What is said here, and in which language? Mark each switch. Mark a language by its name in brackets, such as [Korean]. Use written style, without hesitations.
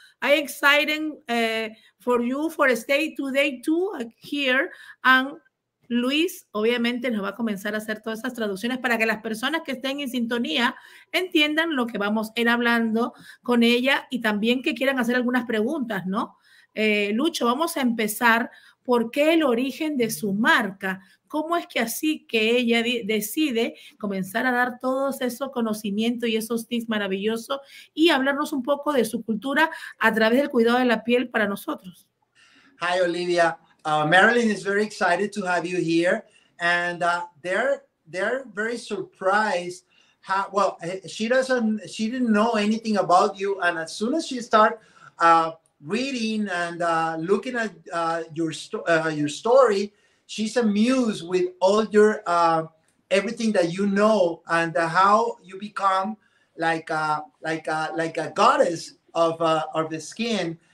[English] I'm excited for you for stay today too here. [Spanish] And Luis, obviamente, nos va a comenzar a hacer todas esas traducciones para que las personas que estén en sintonía entiendan lo que vamos a ir hablando con ella y también que quieran hacer algunas preguntas, ¿no? Lucho, vamos a empezar. ¿Por qué el origen de su marca? ¿Cómo es que así que ella decide comenzar a dar todos esos conocimientos y esos tips maravillosos y hablarnos un poco de su cultura a través del cuidado de la piel para nosotros? [English] Hi, Olivia. Marilyn is very excited to have you here. And they're very surprised. She didn't know anything about you. And as soon as she started reading and looking at your story, she's amused with all your everything that you know and how you become like a goddess of the skin.